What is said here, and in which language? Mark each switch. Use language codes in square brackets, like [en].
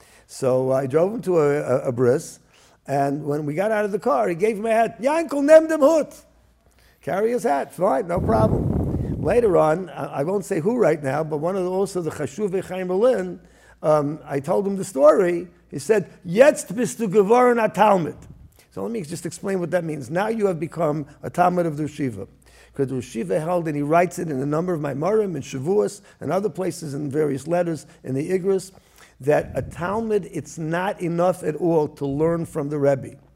[en] So I drove him to a bris. And when we got out of the car, he gave me a hat. [yi] Yankel nemdem hut. [en] Carry his hat. Fine. No problem. Later on, I won't say who right now, but one of the, also the Chashuv Chaim Berlin, I told him the story. [yi] He said, Yetzt bist du geworden a Talmud. [en] So let me just explain what that means. Now you have become a Talmud of the Yeshiva. Because the Yeshiva held, and he writes it in a number of Maimarim, in Shavuos, and other places in various letters, in the Igros, that a Talmud, it's not enough at all to learn from the Rebbe.